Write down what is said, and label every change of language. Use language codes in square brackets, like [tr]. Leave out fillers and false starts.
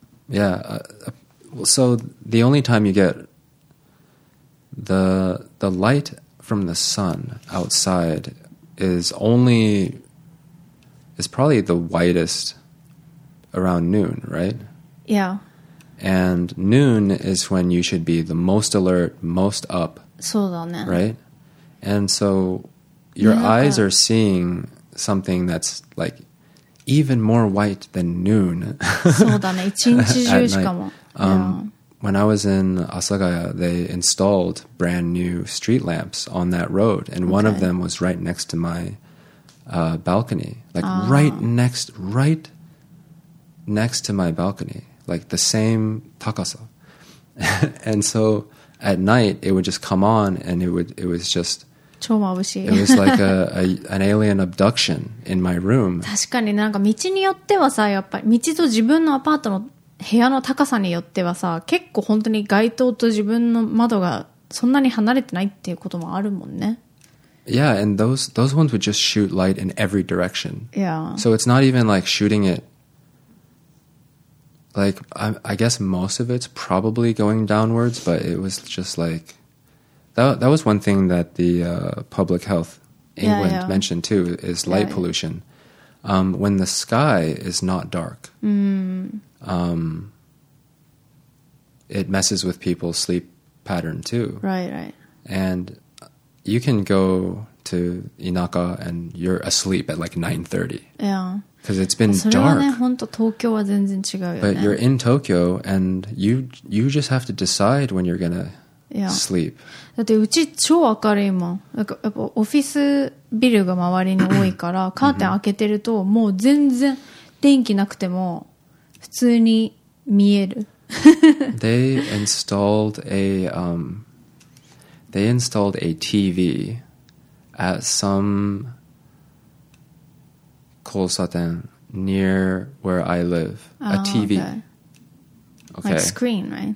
[en] Yeah, so the only time you get the light from the sun outside is probably the whitest around noon, right? Yeah. And noon is when you should be the most alert, most up. [ja] そうだね。 [en] Right? And so your eyes are seeing something that's like,even more white than noon. [ja] そうだね、一日中しかも。 [en] When I was in Asagaya, they installed brand new street lamps on that road, and one of them was right next to my balcony, like right next to my balcony, like the same [ja] takasa. [en] And so at night, it would just come on, and it was just. [ja] 超眩しい。 [en] It was like an alien abduction in my room. [ja] 確かに、なんか道によってはさ、やっぱり道と自分のアパートの部屋の高さによってはさ、結構本当に街灯と自分の窓がそんなに離れてないっていうこともあるもんね。 [en] Yeah, and those ones would just shoot light in every direction. Yeah. So it's not even like shooting it. Like I guess most of it's probably going downwards, but it was just like. That was one thing that the Public Health England mentioned too, is light pollution. When the sky is not dark, it messes with people's sleep pattern too. Right. And you can go to Inaka and you're asleep at like 9:30. Yeah. Because it's been dark. [ja] それはね、本当東京は全然違うよね。 [en] But you're in Tokyo and you just have to decide when you're going to... Sleep. [ja] だってうち超明るいもん。なんかやっぱオフィスビルが周りに多いから、カーテン開けてるともう全然電気なくても普普通に見える。 [en] They installed a, TV at some [ja] 交差点 [en] near where I live. A TV. Okay. Like a screen, right?